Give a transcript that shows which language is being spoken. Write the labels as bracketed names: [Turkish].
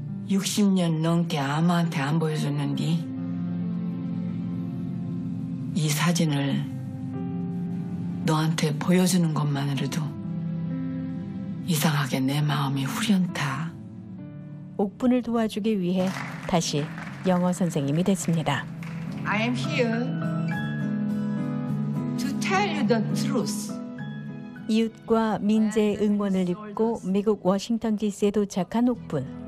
[Korean] 60년 넘게 아무한테 안 보여줬는디 이 사진을 너한테 보여주는 것만으로도 이상하게 내 마음이 후련타. 옥분을 도와주기 위해 다시 영어 선생님이 됐습니다. [English] I am here to tell you the truth. [Korean] 이웃과 민재의 응원을 입고 미국 워싱턴 DC에 도착한 옥분.